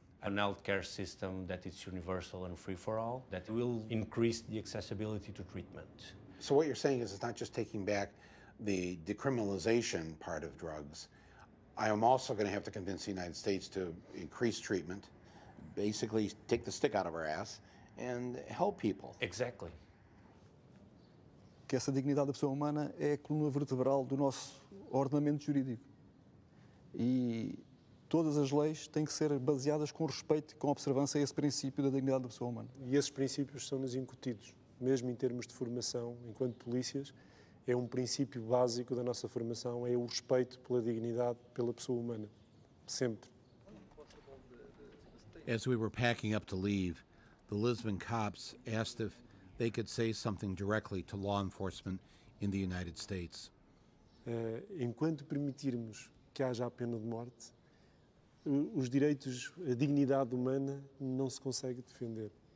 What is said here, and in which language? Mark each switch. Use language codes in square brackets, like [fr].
[en] An healthcare system that is universal and free for all, that will increase the accessibility to treatment. So what you're saying is it's not just taking back the decriminalization part of drugs. I am also going to have to convince the United States to increase treatment, basically take the stick out of our ass, and help people. Exactly. [pt] Que essa dignidade da pessoa humana é a coluna vertebral do nosso ordenamento jurídico. E todas as leis têm que ser baseadas com respeito e com observância a esse princípio da dignidade da pessoa humana. E esses princípios são-nos incutidos, mesmo em termos de formação, enquanto polícias, é um princípio básico da nossa formação, é o respeito pela dignidade pela pessoa humana, sempre. [en] As we were packing up to leave, the Lisbon cops asked if they could say something directly to law enforcement in the United States. [pt] Enquanto permitirmos que haja a pena de morte, os direitos, a dignidade humana não se consegue defender.